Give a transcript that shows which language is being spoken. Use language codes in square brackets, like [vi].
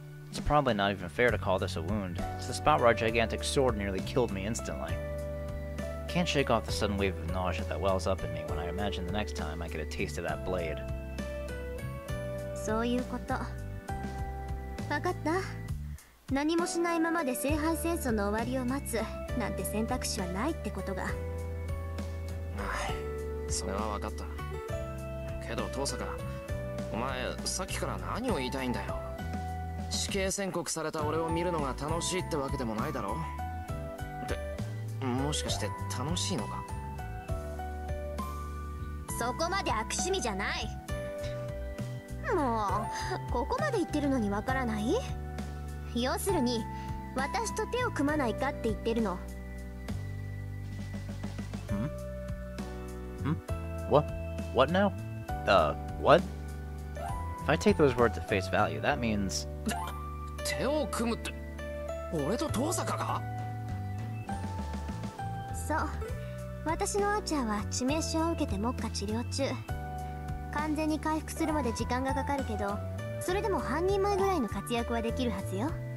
[en] It's probably not even fair to call this a wound. It's the spot where a gigantic sword nearly killed me instantly. Can't shake off the sudden wave of nausea that wells up in me when I imagine the next time I get a taste of that blade. [ja] そういうこと。わかった。何もしないままで聖杯戦争の終わりを待つなんて選択肢はないってことが。はい、それはわかった。けど父さか、お前さっきから何を言いたいんだよ。死刑宣告された俺を見るのが楽しいってわけでもないだろう。で、もしかして楽しいのか。そこまで悪趣味じゃない。もうここまで言ってるのにわからない。要するに私と手を組まないかって言ってるの。 [en] What? If I take those words at face value, that means... [ja] 手を組むって、俺と遠坂が。そう、私のアーチャーは致命傷を受けて目下治療中。完全に回復するまで時間がかかるけど、それでも半人前ぐらいの活躍はできるはずよ。